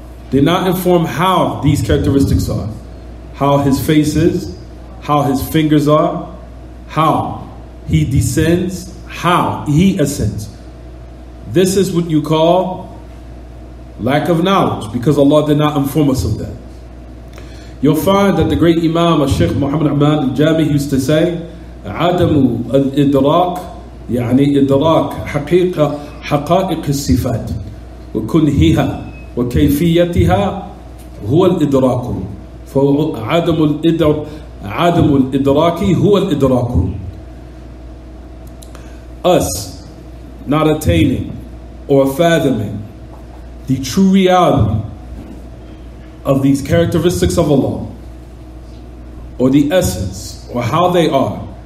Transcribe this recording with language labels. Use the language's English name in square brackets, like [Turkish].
[English] did not inform how these characteristics are, how His face is, how His fingers are, how He descends, how He ascends. This is what you call lack of knowledge, because Allah did not inform us of that. You'll find that the great Imam Shaykh Muhammad Ahmad al-Jami used to say, [Arabic] عَدَمُ الْإِدْرَاكِ يَعْنِي إِدْرَاكِ حَقِيقَ حَقَائِقِ السِّفَاتِ وَكُنْهِهَا وَكَيْفِيَّتِهَا هُوَ الْإِدْرَاكُ فَعَدَمُ الْإِدْرَاكِ هُوَ الْإِدْرَاكُ. [English] Us not attaining or fathoming the true reality of these characteristics of Allah, or the essence, or how they are.